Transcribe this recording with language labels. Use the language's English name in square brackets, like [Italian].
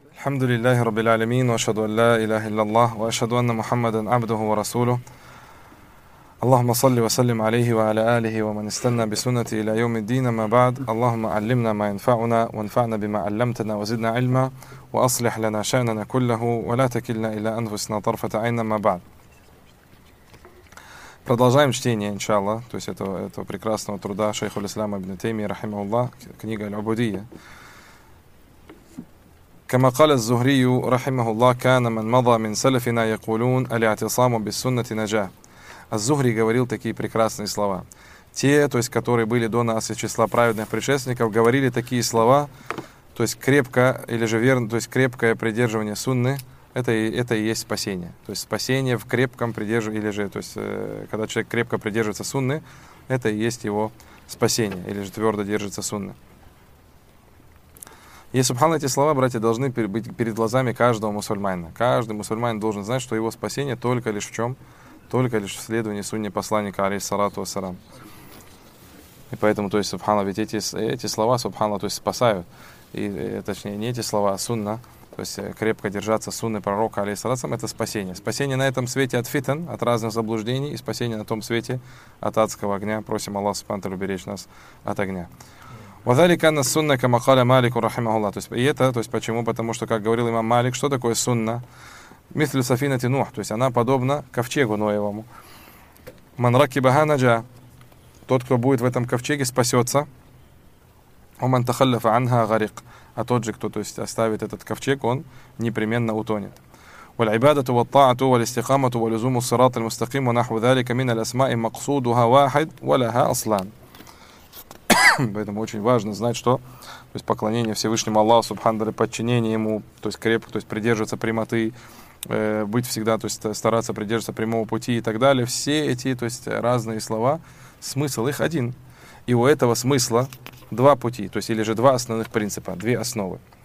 [Arabic] الحمد لله رب العالمين وأشهد أن لا إله إلا الله وأشهد أن محمدا عبده ورسوله. اللهم صل وسلم عليه وعلى آله ومن استنى بسنته إلى يوم الدين. ما بعد، اللهم علمنا ما ينفعنا وانفعنا بما علمتنا وزدنا علما وأصلح لنا شأننا كله ولا تكلنا إلى أنفسنا طرفة عين. ما بعد، [Russian] продолжаем чтение, иншаллах, то есть этого прекрасного труда шейху ислама ибн Тайми, рахима Аллах, книга «Аль-Убудия». [Arabic] كما قال الزهري رحمه الله كان من مضى من سلفنا يقولون الاعتصام بالسنة نجاة. [Russian] الزهري говорил такие прекрасные слова. Те, то есть которые были до нас из числа праведных предшественников, говорили такие слова, то есть крепко или же верно, то есть крепкое придерживание сунны, это и есть спасение. То есть спасение в крепком придерживании или же, то есть когда человек крепко придерживается сунны, это и есть его спасение или же твердо держится сунны. И, субханаллах, эти слова, братья, должны быть перед глазами каждого мусульманина. Каждый мусульманин должен знать, что его спасение только лишь в чем? Только лишь в следовании сунне посланника, алейхиссалату вассалям. И поэтому, то есть, субханаллах, ведь эти слова, субханаллах, то есть, спасают. И, точнее, не эти слова, а сунна. То есть, крепко держаться сунны пророка, алейхиссалату вассалям, это спасение. Спасение на этом свете от фитн, от разных заблуждений, и спасение на том свете от адского огня. Просим Аллах, субханаллах, уберечь нас от огня. [Arabic] وذلك أن السنة كما قال مالك رحمه الله. [Russian] То есть, и это, то есть, почему? Потому что, как говорил имам Малик, что такое сунна? [Arabic] مثل سفينة نوح. [Russian] То есть, она подобна ковчегу Ноевому. [Arabic] من ركبها نجا. [Russian] Тот, кто будет в этом ковчеге, спасется. [Arabic] ومن تخلف عنها غرق. [Russian] А тот же, кто, то есть, оставит этот ковчег, он непременно утонет. [Arabic] والعبادة والطاعة والاستقامة ولزوم الصراط المستقيم ونحو ذلك من الأسماء مقصودها واحد ولها أصلان. [Russian] Поэтому очень важно знать, что то есть поклонение Всевышнему Аллаху, субханаху, подчинение Ему, то есть крепко, то есть придерживаться прямоты, быть всегда, то есть стараться придерживаться прямого пути и так далее. Все эти, то есть разные слова, смысл их один. И у этого смысла два пути, то есть или же два основных принципа, две основы.